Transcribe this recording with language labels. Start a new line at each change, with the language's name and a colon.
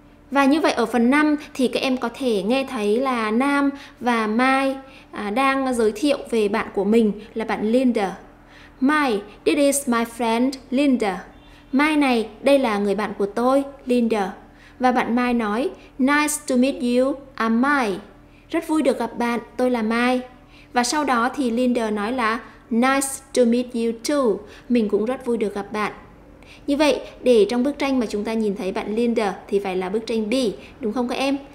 Vietnamese: Và như vậy ở phần 5 thì các em có thể nghe thấy là Nam và Mai đang giới thiệu về bạn của mình là bạn Linda.
English: Mai, this is my friend Linda.
Vietnamese: Mai này, đây là người bạn của tôi, Linda. Và bạn Mai nói,
English: nice to meet you, I'm Mai.
Vietnamese: Rất vui được gặp bạn, tôi là Mai. Và sau đó thì Linda nói là,
English: nice to meet you too.
Vietnamese: Mình cũng rất vui được gặp bạn. Như vậy, để trong bức tranh mà chúng ta nhìn thấy bạn Linda thì phải là bức tranh B, đúng không các em?